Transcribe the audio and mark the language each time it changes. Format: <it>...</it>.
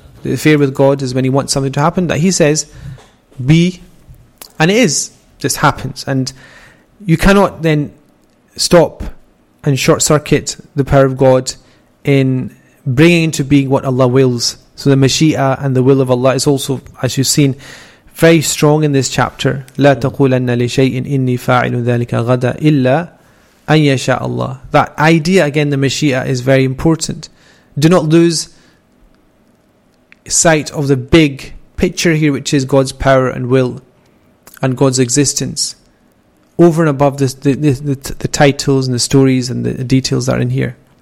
<en>The affair with God is when He wants something to happen that He says, be, and it is. This happens, and you cannot then stop and short circuit the power of God in bringing into being what Allah wills. So the mashi'a and the will of Allah is also, as you've seen, very strong in this chapter.</en> <ar>لا تقولن لشيءٍ إني فاعل ذلك غدا إلا أن يشاء الله.</ar> <en>That idea again, the mashi'a, is very important. Do not lose sight of the big picture here, which is God's power and will and God's existence over and above the titles and the stories and the details that are in here.</en>